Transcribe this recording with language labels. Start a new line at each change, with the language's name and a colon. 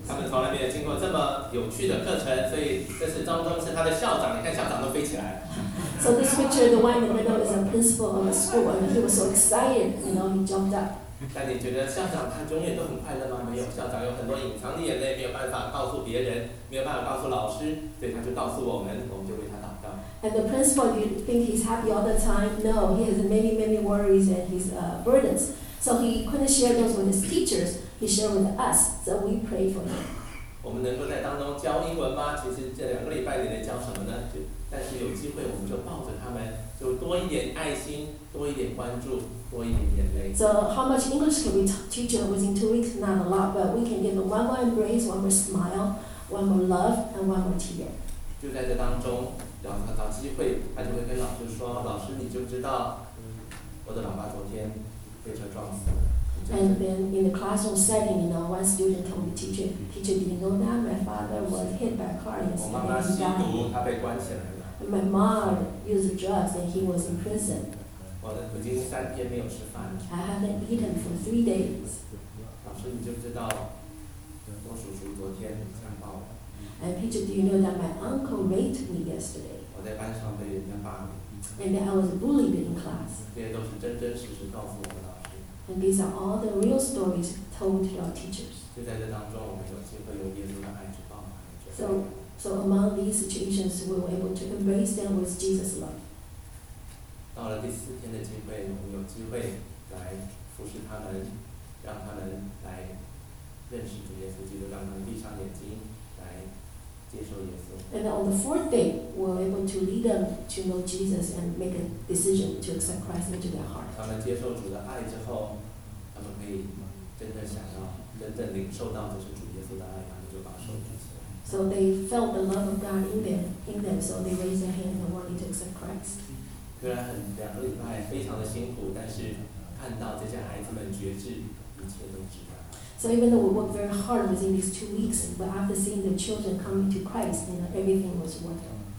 Chinese: 他们从来没有经过这么有趣的课程，所以这是张东升他的校长，你看校长都飞起来了。
English: So this picture, the one in the middle is a principal of a school, and he was so excited, you know, he jumped up.
Chinese: 但你觉得校长他永远都很快乐吗？没有，校长有很多隐藏的眼泪，没有办法告诉别人，没有办法告诉老师，所以他就告诉我们，我们就为他祷告。
English: And the principal, you think he's happy all the time? No, he has many, many worries and his burdens. So he couldn't share those with his teachers. He shared with us, so we pray for him.
Chinese: 我们能够在当中教英文吗？其实这两个礼拜里面教什么呢？就但是有机会，我们就抱着他们，就多一点爱心，多一点关注，多一点眼泪。
English: So how much English can we teach them within 2 weeks? Not a lot, but we can give them one more embrace, one more smile, one more love, and one more tear.
Chinese: 就在这当中，要找到机会，他就会跟老师说：“老师，你就知道，我的爸爸昨天被车撞死了。”
English: And then in the classroom setting, you know, one student told me, "Teacher, do you know that my father was hit by a car yesterday?
Chinese: 我妈妈吸毒，他被关起来了。”
English: My mom used drugs and he was in prison.
Chinese: 我已经三天没有吃饭了。
English: I haven't eaten for 3 days.
Chinese: 老师，你就知道，我叔叔昨天强暴我。
English: And Peter, do you know that my uncle raped me yesterday?
Chinese: 我在班上被人家霸凌。
English: And I was bullied in class.
Chinese: 这些都是真真实实告诉我的老师。
English: And these are all the real stories told to our teachers.
Chinese: 就在这当中，我们有机会用耶稣的爱去帮忙。
English: So among these situations, we were able to embrace them with Jesus' love.
Chinese: 到了第四天的机会，我们有机会来服侍他们，让他们来认识主耶稣基督，让他们闭上眼睛来接受耶稣。
English: And on the fourth day, we were able to lead them to know Jesus and make a decision to accept Christ into their heart.
Chinese: 他们接受主的爱之后，他们可以真正想到、真正领受到这是主耶稣的爱，他们就把手举起来。
English: So they felt the love of God in them, so they raised their hand and wanted to accept Christ.
Chinese: 虽然很两个礼拜非常的辛苦，但是看到这些孩子们觉知，一切都值得。
English: So even though we worked very hard within these 2 weeks, but after seeing the children coming to Christ, you know, everything was worthwhile.